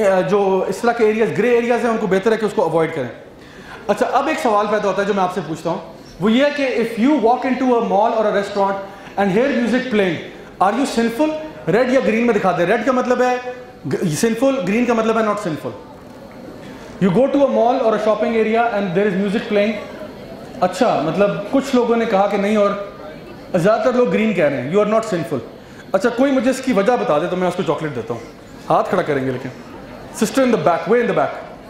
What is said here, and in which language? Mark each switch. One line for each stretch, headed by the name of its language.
Urdu: جو اس طرح کے ایریاز گرے ایریاز ہیں ان کو بہتر ہے کہ اس کو اوائڈ کریں. اچھا, اب ایک سوال پیدا ہوتا ہے جو میں آپ سے پوچھتا ہوں, وہ یہ ہے کہ
English: If you walk into a mall or a restaurant and hear music playing, are you sinful?
Urdu: Red یا گرین میں دکھا دیں. ریڈ کا مطلب ہے سنفل, گرین کا مطلب ہے ناٹ سنفل.
English: You go to a mall or a shopping area and there is music playing.
Urdu: اچھا, مطلب کچھ لوگوں نے کہا کہ نہیں اور زیادہ تر لوگ گرین کہہ رہے ہیں,
English: You are not sinful.
Urdu: اچھا, کوئی مجھے اس کی وجہ بتا دے تو میں اس کو چاکلیٹ دیتا ہوں. ہاتھ کھڑا کریں گے.
English: لیکن sister in the back, way in the back.